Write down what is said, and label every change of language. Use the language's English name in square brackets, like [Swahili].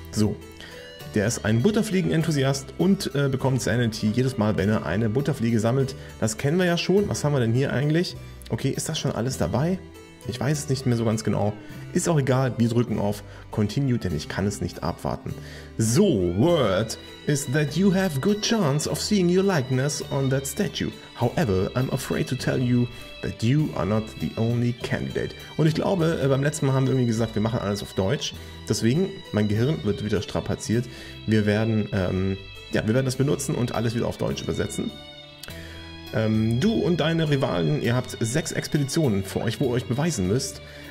[German] So, der ist ein Butterfliegen-Enthusiast und bekommt Sanity jedes Mal, wenn er eine Butterfliege sammelt. Das kennen wir ja schon, was haben wir denn hier eigentlich? Okay, ist das schon alles dabei? Ich weiß es nicht mehr so ganz genau. Ist auch egal, wir drücken auf Continue, denn ich kann es nicht abwarten. [English] So, word is that you have good chance of seeing your likeness on that statue. However, I'm afraid to tell you that you are not the only candidate. [German] Und ich glaube, beim letzten Mal haben wir irgendwie gesagt, wir machen alles auf Deutsch. Deswegen, mein Gehirn wird wieder strapaziert. Wir werden, wir werden das benutzen und alles wieder auf Deutsch übersetzen. Du und deine Rivalen, ihr habt 6 Expeditionen vor euch, wo ihr euch beweisen müsst.